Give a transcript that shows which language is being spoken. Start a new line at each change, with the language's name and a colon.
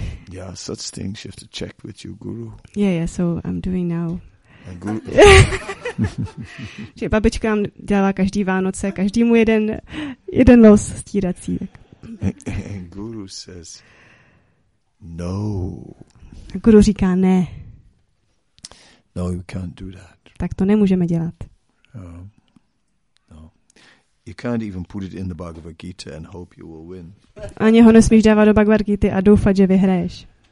English: Yeah, such things you have to check with your guru. Yeah, so I'm doing now. A guru.
Czech: Že babička nám dělá každý Vánoce, každému jeden los stírací.
English: And guru says no.
Czech: A guru říká ne.
English: No, you can't do that.
Czech: Tak to nemůžeme dělat.
English: No. You can't even put it in the Bhagavad Gita and hope you will win.
Czech: Ani ho nesmíš dávat do Bhagavad Gita a doufat, že vyhraješ.